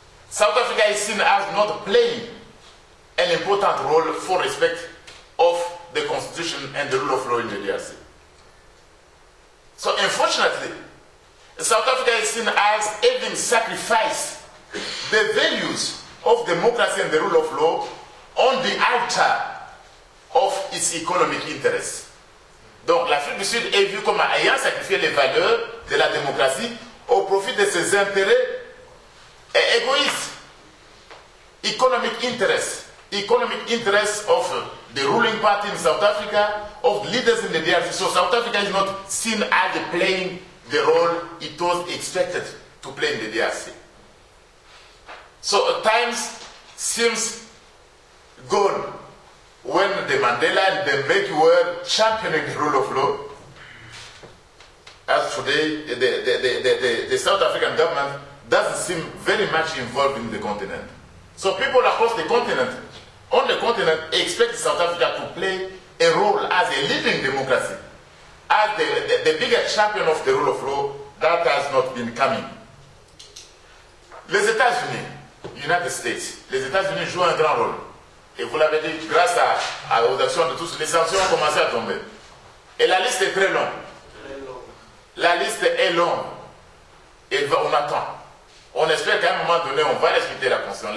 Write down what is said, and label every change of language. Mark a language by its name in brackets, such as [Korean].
[English] South Africa is seen as not playing an important role for respect of the constitution and the rule of law in the DRC. So unfortunately, South Africa is seen as having sacrificed the values of democracy and the rule of law on the altar of its economic interests. [French] Donc l'Afrique du Sud est vue comme ayant sacrifié les valeurs de la démocratie au profit de ses intérêts égoïstes. [English] Economic interests of the ruling party in South Africa, of leaders in the DRC. So South Africa is not seen as playing the role it was expected to play in the DRC. So times seems gone when the Mandela and the Mbeki were championing the rule of law. As today, the South African government doesn't seem very much involved in the continent. So people across the continent, on the continent, expect South Africa to play a role as a living democracy, as the biggest champion of the rule of law that has not been coming. [French] Les États-Unis, United States, les États-Unis jouent un grand rôle. Et vous l'avez dit, grâce à aux actions de tous, les sanctions ont commencé à tomber. Et la liste est très longue. La liste est longue. Et on attend. On espère qu'à un moment donné, on va respecter la Constitution.